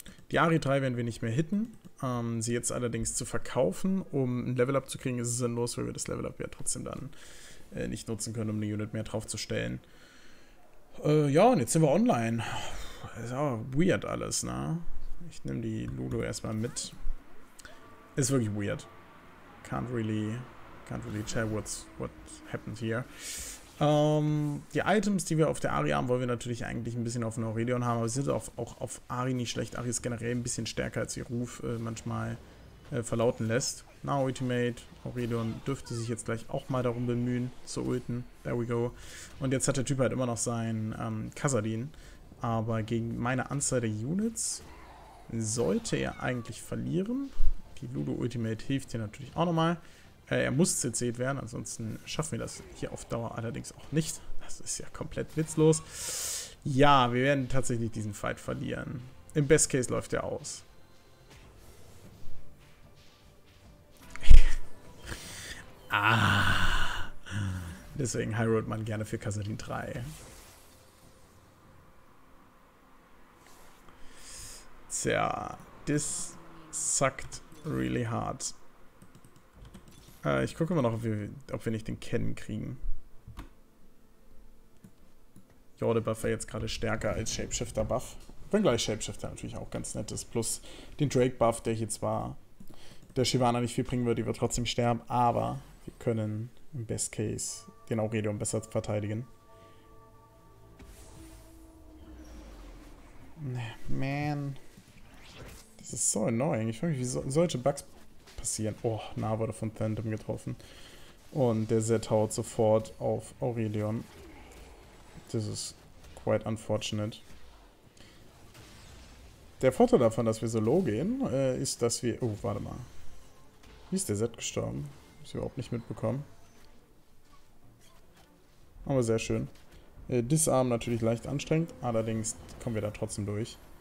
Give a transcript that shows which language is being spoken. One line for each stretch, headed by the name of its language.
German: Die Ahri 3 werden wir nicht mehr hitten. Sie jetzt allerdings zu verkaufen, um ein Level-Up zu kriegen, ist es sinnlos, weil wir das Level-Up ja trotzdem dann nicht nutzen können, um eine Unit mehr draufzustellen. Ja, und jetzt sind wir online. Ist aber weird alles, ne? Ich nehme die Lulu erstmal mit. Ist wirklich weird.
English: Can't really tell what happened here.
German: Die Items, die wir auf der Ahri haben, wollen wir natürlich eigentlich ein bisschen auf den Aurelion haben, aber sie sind auch auf Ahri nicht schlecht. Ahri ist generell ein bisschen stärker, als ihr Ruf manchmal verlauten lässt. Now Ultimate, Aurelion dürfte sich jetzt gleich auch mal darum bemühen, zu ulten.
English: There we go.
German: Und jetzt hat der Typ halt immer noch seinen Kasadin, aber gegen meine Anzahl der Units sollte er eigentlich verlieren. Die Ludo Ultimate hilft hier natürlich auch nochmal. Er muss CC'd werden, ansonsten schaffen wir das hier auf Dauer allerdings auch nicht. Das ist ja komplett witzlos. Ja, wir werden tatsächlich diesen Fight verlieren. Im Best Case läuft er aus. Deswegen Highroad man gerne für Kasadin 3.
English: Tja, this sucked really hard.
German: Ich gucke immer noch, ob wir nicht den Ken kriegen. Ja, der Buff war jetzt gerade stärker als Shapeshifter-Buff. Wenngleich Shapeshifter natürlich auch ganz nett ist. Plus den Drake-Buff, der hier zwar der Shyvana nicht viel bringen wird, die wird trotzdem sterben. Aber wir können im Best Case den Aurelion besser verteidigen. Man. Das ist so annoying. Ich frage mich, wie solche Bugs passieren. Oh, Nah wurde von Phantom getroffen. Und der Zed haut sofort auf Aurelion.
English: This is quite unfortunate.
German: Der Vorteil davon, dass wir so low gehen, ist, dass wir... Oh, warte mal. Wie ist der Zed gestorben? Hab ich überhaupt nicht mitbekommen. Aber sehr schön. Disarm natürlich leicht anstrengend. Allerdings kommen wir da trotzdem durch.